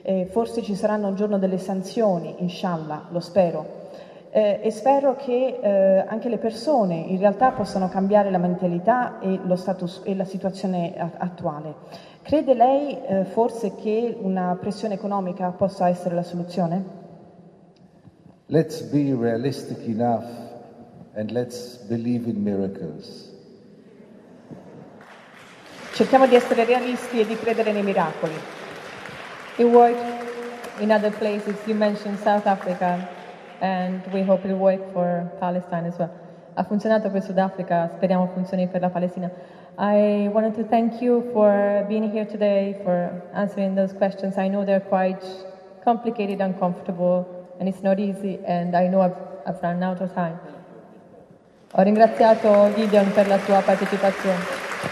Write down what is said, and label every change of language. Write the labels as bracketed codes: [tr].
[it] Forse ci saranno un giorno delle sanzioni, inshallah, lo spero. E spero che anche le persone in realtà possano cambiare la mentalità e lo status e la situazione attuale. Crede lei forse che una pressione economica possa essere la soluzione? [en] Let's be realistic enough and let's believe in miracles. [it] Cerchiamo di essere realisti e di credere nei miracoli. [en] It worked in other places. You mentioned South Africa. And we hope it will work for Palestine as well. [it] Ha funzionato per Sudafrica, speriamo funzioni per la Palestina. [en] I wanted to thank you for being here today, for answering those questions. I know they're quite complicated, uncomfortable, and it's not easy, and I know I've run out of time. [it] Ho ringraziato Gideon per la sua partecipazione.